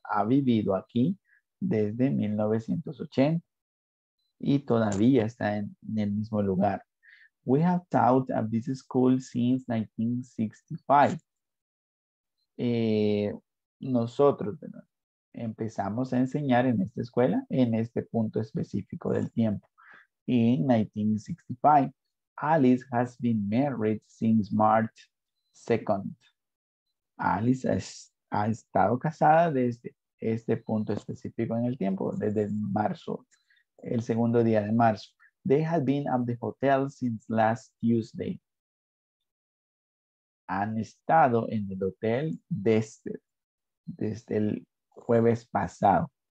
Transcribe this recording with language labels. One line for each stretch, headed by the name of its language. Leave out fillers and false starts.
Spanish: Ha vivido aquí desde 1980. Y todavía está en el mismo lugar.
English: We have taught at this school since 1965.
Spanish: Nosotros, ¿verdad? Empezamos a enseñar en esta escuela en este punto específico del tiempo.
English: In 1965, Alice has been married since March 2nd.
Spanish: Alice ha estado casada desde este punto específico en el tiempo, desde marzo, el segundo día de marzo.
English: They have been at the hotel since last Tuesday.
Spanish: Han estado en el hotel desde el jueves pasado.